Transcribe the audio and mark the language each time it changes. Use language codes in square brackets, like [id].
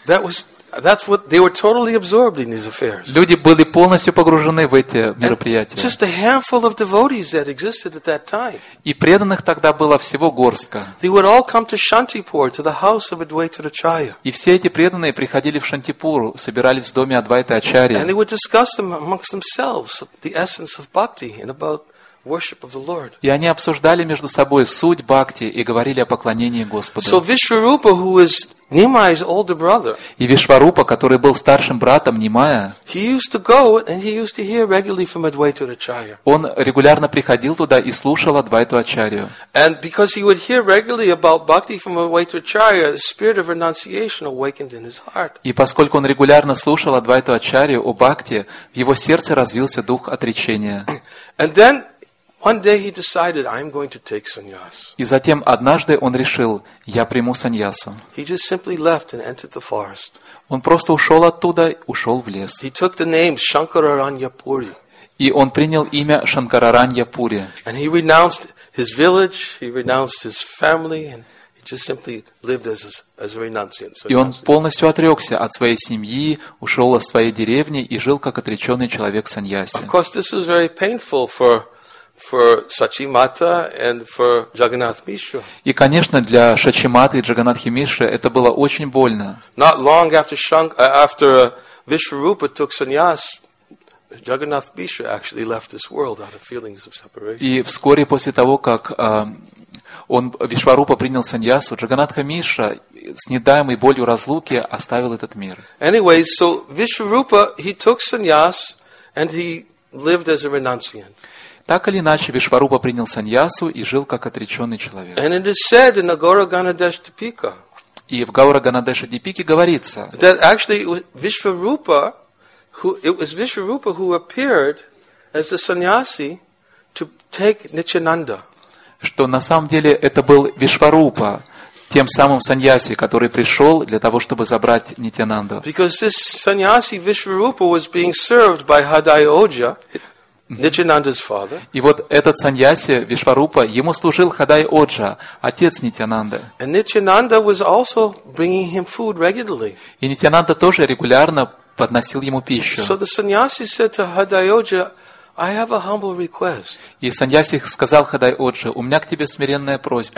[en] That was, that's what, they were totally absorbed in these affairs. [ru] Люди были полностью погружены в эти мероприятия. [en] And just a handful of devotees that existed at that time. [ru] И преданных тогда было всего горстка. [en] They would all come to Shantipur, to the house of Advaita Acharya. [ru] И все эти преданные приходили в Шантипур, собирались в доме Адвайты Ачарьи. [en] And they would discuss them amongst themselves the essence of bhakti and about worship of the Lord. [ru] И они обсуждали между собой суть бхакти и говорили о поклонении Господу. [en] So Vishwarupa, who was Nimai's older brother, [ru] и Вишварупа, который был старшим братом Нимая, [en] he used to go and he used to hear regularly from Advaita Acharya. [ru] Он регулярно приходил туда и слушал Адвайту Ачарью. [en] And because he would hear regularly about bhakti from Advaita Acharya, the spirit of renunciation awakened in his heart. [ru] И поскольку он регулярно слушал Адвайту Ачарью о бхакти, в его сердце развился дух отречения. [en] And then one day he decided, I'm going to take sannyas. [ru] И затем однажды он решил, я приму саньясу. [en] He just simply left and entered the forest. [ru] Он просто ушел оттуда, ушел в лес. [en] He took the name Shankararanyapuri. [ru] И он принял имя Шанкараранья-пури. [en] And he renounced his village, he renounced his family, and he just simply lived as a renunciant. [ru] И он полностью отрекся от своей семьи, ушел из своей деревни и жил как отреченный человек саньяси. [en] Of course, this was very painful for for Сачимата and for Джаганнат Мишу. [ru] И, конечно, для Сачиматы и Джаганнатхи Миши это было очень больно. [en] Not long after Вишварупа took sannyas, Джаганнат Миша actually left this world out of feelings of separation. [ru] И вскоре после того, как Вишварупа принял саньясу, Джаганнатха Миша, с недаемой болью разлуки, оставил этот мир. [en] Anyway, so Вишварупа, he took sannyas and he lived as a renunciant. [ru] Так или иначе, Вишварупа принял саньясу и жил как отреченный человек. [en] And it is said in the Gaura Ganadesha Dipika. [ru] И в Гаура Ганадеша Дипике говорится, [en] that actually it was Вишварупа who appeared as a sannyasi to take Nityananda. [ru] Что на самом деле это был Вишварупа, тем самым саньяси, который пришел для того, чтобы забрать Нитянанду. [en] Because this sannyasi Вишварупа was being served by Хадайоджа, Nityananda's father. [ru] И вот этот саньяси Вишварупа, ему служил Хадайоджа, отец Нитянанды. [en] And Nityananda was also bringing him food regularly. [ru] И Нитянанда тоже регулярно подносил ему пищу. [en] So the sannyasi said to Хадайоджа, I have a humble request. [ru] И саньяси сказал Хадайоджа, у меня к тебе смиренная просьба.